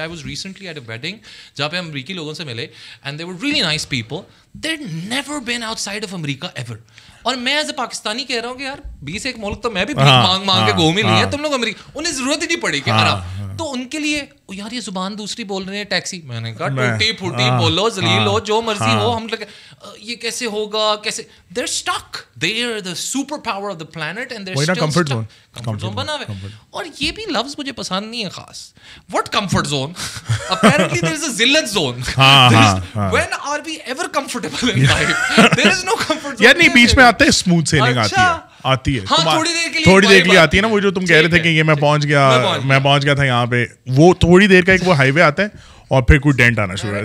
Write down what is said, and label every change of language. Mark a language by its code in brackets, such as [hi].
[en] I was recently at a wedding [ur] جہاں پہ امریکی لوگوں سے ملے, [en] And they were really nice people, they had never been outside of America ever. [ur] اور میں ایز اے پاکستانی کہہ رہا ہوں کہ یار 21 ملک تو میں بھی مانگ مانگ کے گھوم ہی لیا ہے, تم لوگ امریکہ, انہیں ضرورت ہی نہیں پڑی کہ آرام. تو ان کے لیے یار یہ زبان دوسری بول رہے ہیں, ٹیکسی, میں نے کہا ٹوٹی پھوٹی بولو, ذلیل ہو, جو مرضی ہو, ہم لگے یہ کیسے ہوگا, کیسے. [en] They're stuck, they're the superpower of the planet, and they're stuck comfort zone. [ur] Comfort zone بنا ہوئے. اور یہ بھی لفظ مجھے پسند نہیں ہے خاص, [en] What comfort zone, apparently there is a ذلت zone. When are we ever comfortable in life, there is no comfort zone. [ur] یعنی بیچ میں آتے ہیں, اسموتھ سیلنگ آتی ہے, تھوڑی دیر کے لیے آتی ہے نا, وہ جو تم کہہ رہے تھے کہ یہ میں پہنچ گیا تھا یہاں پہ, وہ تھوڑی دیر کا ایک وہ ہائی وے آتا ہے اور پھر کوئی ڈینٹ آنا شروع ہے.